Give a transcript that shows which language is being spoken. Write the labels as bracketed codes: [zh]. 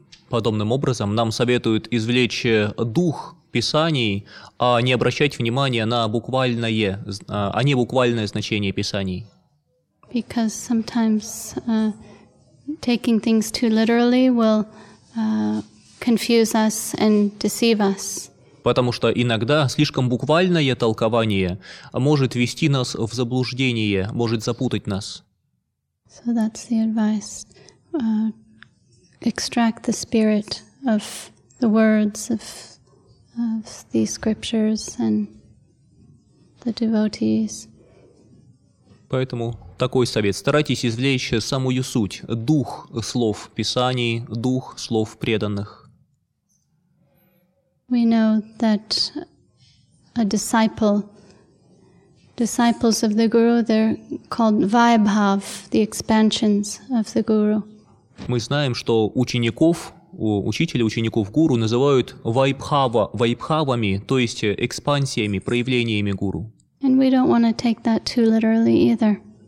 [ru] Подобным образом нам советуют извлечь дух писаний, а не обращать внимания на буквальное, а не буквальное значение писаний. [en] Because sometimes taking things too literally will confuse us and deceive us. [ru] Потому что иногда слишком буквальное толкование может ввести нас в заблуждение, может запутать нас. [en] So that's the advice. Extract the spirit of the words of the scriptures and the devotees. [ru] Поэтому такой совет. Старайтесь извлечь самую суть, дух слов Писаний, дух слов преданных. [en] We know that a disciples of the Guru, they're called Vaibhav, the expansions of the Guru. [ru] Мы знаем, что учеников Гуру называют Вайбхавами, то есть экспансиями, проявлениями Гуру. [en] And we don't want to take that too literally either.